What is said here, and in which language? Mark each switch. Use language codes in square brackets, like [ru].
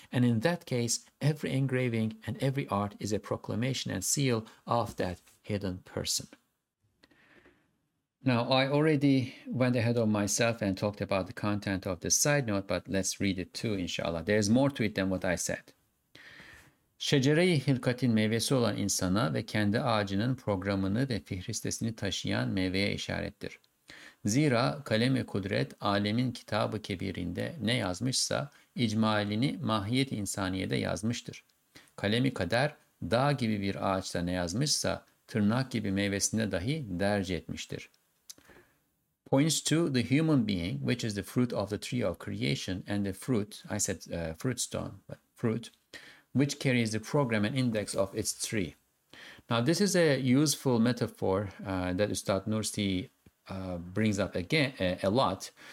[en] And in that case, every engraving and every art is a proclamation and seal of that hidden person. Now, I already went ahead of myself and talked about the content of this side note, but let's read it too, inshallah. There is more to it than what I said. [tr] Şecere-i hilkatin meyvesi olan insana ve kendi ağacının programını ve fihristesini taşıyan meyveye işarettir. Zira kalem-i kudret alemin kitab-ı kebirinde ne yazmışsa icmalini mahiyet-i insaniyede yazmıştır. Kalem-i kader dağ gibi bir ağaçta ne yazmışsa tırnak gibi meyvesinde dahi derc etmiştir. [en] Points to the human being, which is the fruit of the tree of creation, and the fruit, I said fruit stone, but fruit, which carries the program and index of its tree. Now, this is a useful metaphor that Ustad Nursi brings up again a lot.